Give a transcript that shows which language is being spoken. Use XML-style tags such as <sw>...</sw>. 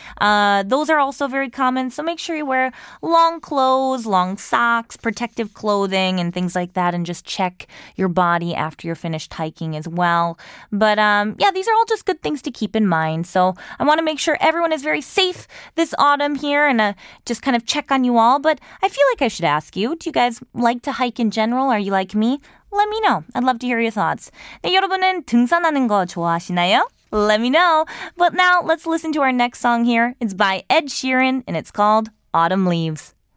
<en>Those are also very common. So make sure you wear long clothes, long socks, protective clothing, and things like that, and just check your body after you're finished hiking as well. But these are all just good things to keep in mind. So I want to make sure everyone is very safe this autumn here and just kind of check on you all. But I feel like I should ask you, do you guys like to hike in general? Are you like me? Let me know. I'd love to hear your thoughts.</en> <ko>네, 여러분은 등산하는 거 좋아하시나요?</ko> <en>Let me know. But now let's listen to our next song here. It's by Ed Sheeran and it's called Autumn Leaves.</en>